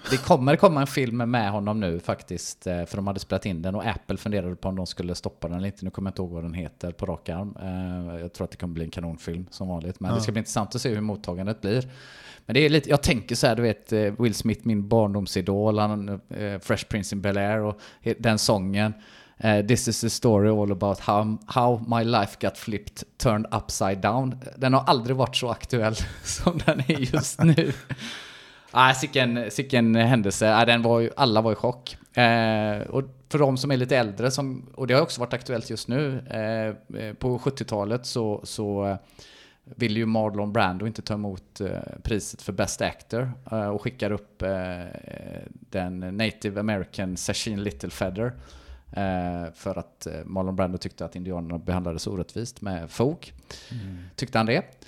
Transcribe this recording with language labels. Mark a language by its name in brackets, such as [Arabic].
[Swedish] Det kommer komma en film med honom nu faktiskt. För de hade spelat in den, och Apple funderade på om de skulle stoppa den eller inte. Nu kommer jag inte ihåg vad den heter på rak arm. Jag tror att det kommer bli en kanonfilm som vanligt. Men ja, det ska bli intressant att se hur mottagandet blir. Men det är lite, jag tänker så här, du vet, Will Smith, min barndomsidol, han, Fresh Prince in Bel-Air och den sången. [English] This is a story all about how my life got flipped, turned upside down. [Swedish] Den har aldrig varit så aktuell som den är just nu. sicken händelse. Alla var i chock. Och för de som är lite äldre, och det har också varit aktuellt just nu, på 70-talet så vill ju Marlon Brando inte ta emot priset för Best Actor och skickar upp den Native American Cecil Little Feather för att Marlon Brando tyckte att indianerna behandlades orättvist med folk. Mm. Tyckte han det.